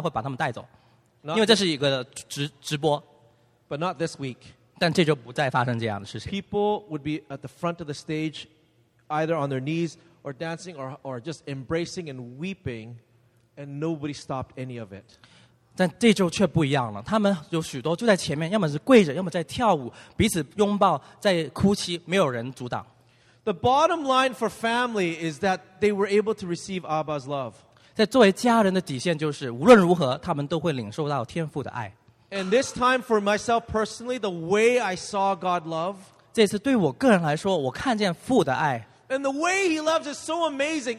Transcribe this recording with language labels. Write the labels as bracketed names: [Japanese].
[Chinese] 他们的训练也是这样，如果有人做一些事情是超过10秒钟会影响全个房间的话，会把他们带走，因为这是一个直播。 [English] But not this week. [Chinese] 但这就不再发生这样的事情。 [English] People would be at the front of the stage either on their knees or dancing, or just embracing and weeping, and nobody stopped any of it. [Chinese] 但这周却不一样了，他们有许多就在前面，要么是跪着，要么在跳舞，彼此拥抱，在哭泣，没有人阻挡。 [English] The bottom line for family is that they were able to receive Abba's love. [Chinese] 在作为家人的底线就是，无论如何，他们都会领受到天父的爱。 [English] And this time for myself personally, the way I saw God love, [Chinese] 这次对我个人来说，我看见父的爱。 [English] And the way he loves is so amazing.